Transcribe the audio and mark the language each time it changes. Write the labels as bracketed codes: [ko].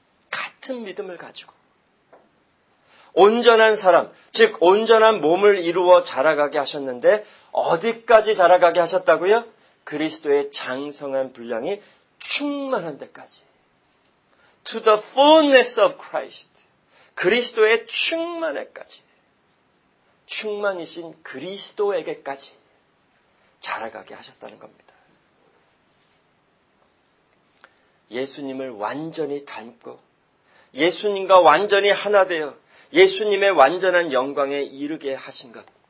[ko] 같은 믿음을 가지고 온전한 사람, 즉 온전한 몸을 이루어 자라가게 하셨는데 어디까지 자라가게 하셨다고요? 그리스도의 장성한 분량이 충만한 데까지. [en] To the fullness of Christ. [ko] 그리스도의 충만에까지. 충만이신 그리스도에게까지 자라가게 하셨다는 겁니다. 예수님을 완전히 닮고 예수님과 완전히 하나 되어 예수님의 완전한 영광에 이르게 하신 것.